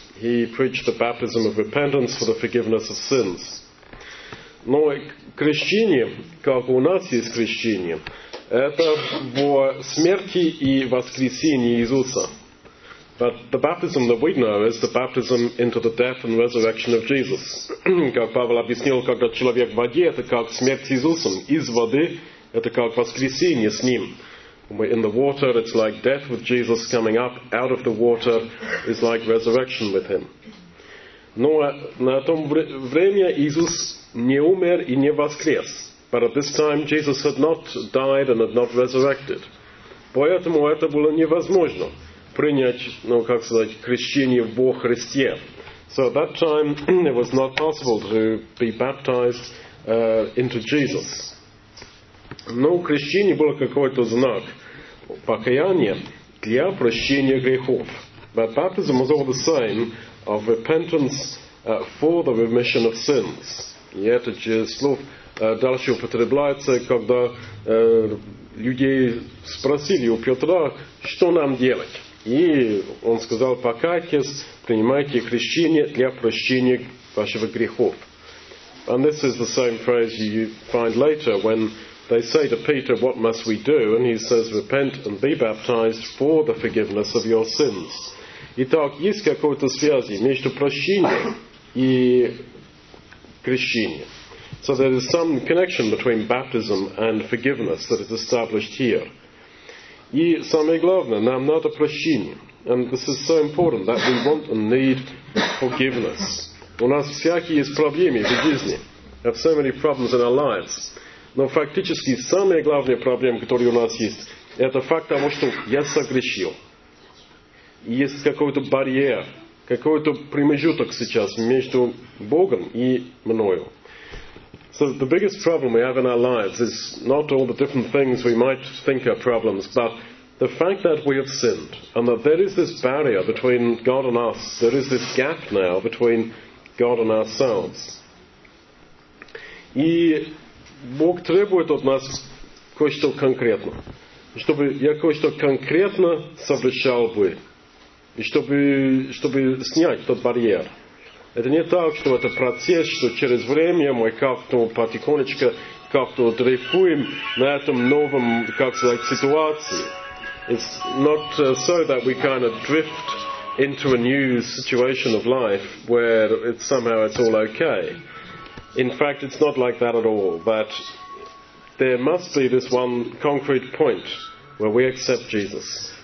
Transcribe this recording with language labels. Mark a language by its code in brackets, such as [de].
[en] He preached the baptism of repentance for the forgiveness of sins. [ru] Но крещение, как у нас есть крещение, это во смерти и воскресении Иисуса. [en] But the baptism that we know is the baptism into the death and resurrection of Jesus. [ru] Как Павел объяснил, когда человек в воде, это как смерть с Иисусом. Из воды, это как воскресение с Ним. [en] When we're in the water, it's like death with Jesus coming up. Out of the water is like resurrection with Him. [ru] Но на том время Иисус не умер и не воскрес. [en] But at this time, Jesus had not died and had not resurrected. [ru] Поэтому это было невозможно принять, ну, как сказать, крещение во Христе. [en] So at that time, it was not possible to be baptized into Jesus. [ru] Но крещение было какой-то знак покаяния для прощения грехов. [en] But baptism was all the same of repentance for the remission of sins. [ru] И это же слово дальше употребляется, когда люди спросили у Петра, что нам делать. И он сказал, покайтесь, принимайте крещение для прощения вашего грехов. [en] And this is the same phrase you find later when they say to Peter, what must we do? And he says, repent and be baptized for the forgiveness of your sins. [ru] Итак, есть какая-то связь между прощением и крещением. [en] So there is some connection between baptism and forgiveness that is established here. [ru] И самое главное, нам надо прощение. [en] And this is so important that we want and need forgiveness. [ru] У нас всякие есть проблемы в жизни. [en] We have so many problems in our lives. [ru] Но фактически самая главная проблема, которая у нас есть, это факт того, что я согрешил. И есть какой-то барьер, какой-то промежуток сейчас между Богом и мною. [en] So the biggest problem we have in our lives is not all the different things we might think are problems, but the fact that we have sinned, and that there is this barrier between God and us, there is this gap now between God and ourselves. [ru] И Бог требует от нас кое-что конкретно, чтобы я кое-что конкретно совершал бы, и чтобы снять тот барьер. Это не так, что это процесс, что через время мы как-то потихонечку как-то дрейфуем на этом новом, как сказать, ситуации. [en] It's not so that we kind of drift into a new situation of life where it's somehow it's all okay. In fact, it's not like that at all, but there must be this one concrete point where we accept Jesus.